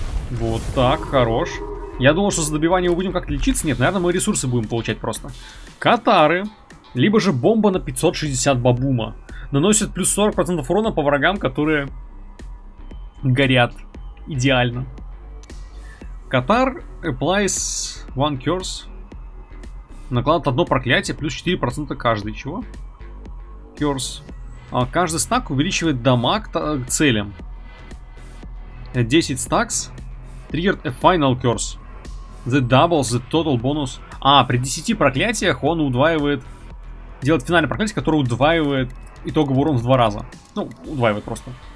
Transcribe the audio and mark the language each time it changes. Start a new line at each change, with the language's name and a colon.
Russian: Вот так, хорош. Я думал, что за добивание мы будем как-то лечиться. Нет, наверное, мы ресурсы будем получать просто. Катары. Либо же бомба на 560 бабума. Наносит плюс 40% урона по врагам, которые... Горят. Идеально.
English: Катар applies one curse.
Russian: Накладывает одно проклятие, плюс 4% каждый. Чего? Curse. А каждый стак увеличивает дамаг к целям.
English: 10 стакс. Triggered a final curse. The double, the total bonus.
Russian: А, при 10 проклятиях он удваивает... Делает финальное проклятие, которое удваивает итоговый урон в 2 раза. Ну, удваивает просто.